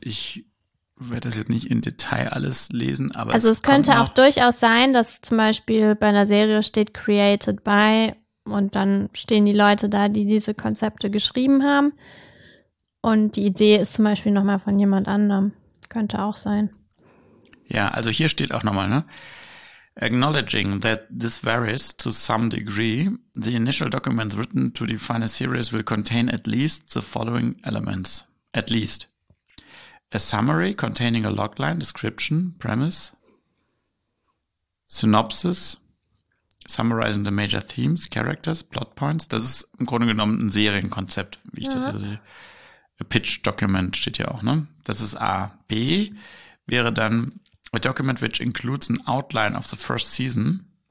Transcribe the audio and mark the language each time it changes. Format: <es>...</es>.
<de>Ich werde das jetzt nicht im Detail alles lesen, aber also es könnte auch durchaus sein, dass zum Beispiel bei einer Serie steht Created By Und dann stehen die Leute da, die diese Konzepte geschrieben haben. Und die Idee ist zum Beispiel nochmal von jemand anderem. Könnte auch sein. Ja, also hier steht auch nochmal, ne?</de> <en>Acknowledging that this varies to some degree, the initial documents written to define a series will contain at least the following elements. At least. A summary containing a logline, description, premise, synopsis, summarizing the major themes, characters, plot points.</en> <de>Das ist im Grunde genommen ein Serienkonzept, wie ich das sehe.</de> <en>A pitch document</en> <de>steht hier auch, ne? Das ist A. B wäre dann</de> <en>a document which includes an outline of the first season.</en>